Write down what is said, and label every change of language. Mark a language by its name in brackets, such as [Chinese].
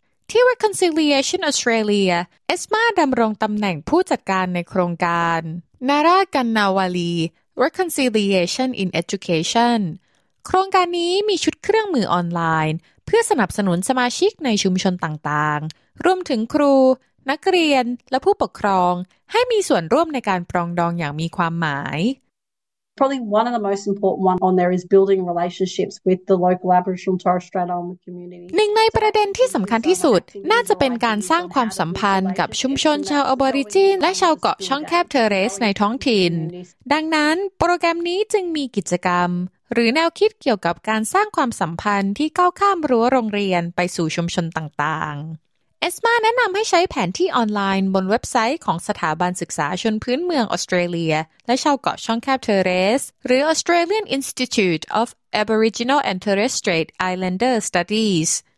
[Thai] ที่ Reconciliation Australia เอสมาดำรงตำแหน่งผู้จัดการในโครงการนารากันนาวาลี Reconciliation in Education โครงการนี้มีชุดเครื่องมือออนไลน์เพื่อสนับสนุนสมาชิกในชุมชนต่างๆรวมถึงครูนักเรียนและผู้ปกครองให้มีส่วนร่วมในการปรองดองอย่างมีความหมาย [English] Probably one of the most important one on there is building relationships with the local Aboriginal and Torres Strait Islander community. [Thai] หนึ่งในประเด็นที่สำคัญที่สุดน่าจะเป็นการสร้างความสัมพันธ์กับชุมชนชาวอบอริจินและชาวเกาะช่องแคบเทเรสในท้องถิ่น ดังนั้นโปรแกรมนี้จึงมีกิจกรรมหรือแนวคิดเกี่ยวกับการสร้างความสัมพันธ์ที่ก้าวข้ามรั้วโรงเรียนไปสู่ชุมชนต่างๆเอสมาแนะนำให้ใช้แผนที่ออนไลน์บนเว็บไซต์ของสถาบันศึกษาชนพื้นเมืองออสเตรเลียและชาวเกาะช่องแคบเทเรสหรือ Australian Institute of Aboriginal and Torres Strait Islander Studies